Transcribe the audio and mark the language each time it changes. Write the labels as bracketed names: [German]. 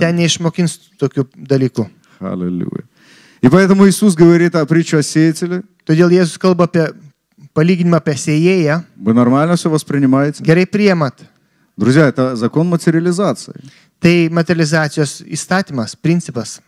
[Lithuanian] Ten neišmokins tokių dalykų. [Russian] Аллилуйя. И поэтому Иисус говорит о притче о сеятеле. [Lithuanian] Todėl Jėzus kalba apie palyginimą apie sėjėją. [Russian] Вы нормально все воспринимаете? [Lithuanian] Gerai priemat. [Russian] Друзья, это закон материализации. [Lithuanian] Tai materializacijos įstatymas, principas.